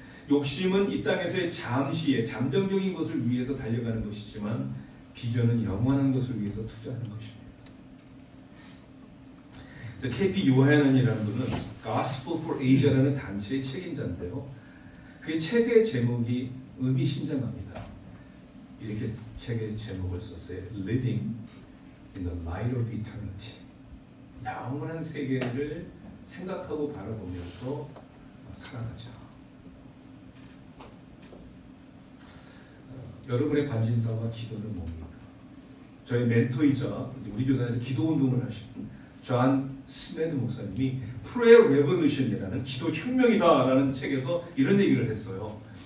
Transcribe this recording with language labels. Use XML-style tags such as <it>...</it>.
<ko>욕심은 이 땅에서의 잠시의 잠정적인 것을 위해서 달려가는 것이지만 비전은 영원한 것을 위해서 투자하는 것입니다. 그래서 KP 요한은이라는 분은 Gospel for Asia라는 단체의 책임자인데요. 그의 책의 제목이 의미심장합니다. 이렇게 책의 제목을 썼어요.</ko> <en>Living in the Light of Eternity.</en> <ko>영원한 세계를 생각하고 바라보면서 살아가자. 여러분의 관심사와 기도는 뭡니까? 저희 멘토이자 우리 교단에서 기도운동을 하신 존 스메드 목사님이 Prayer Revolution이라는 기도 혁명이다 라는 책에서 이런 얘기를 했어요.</ko>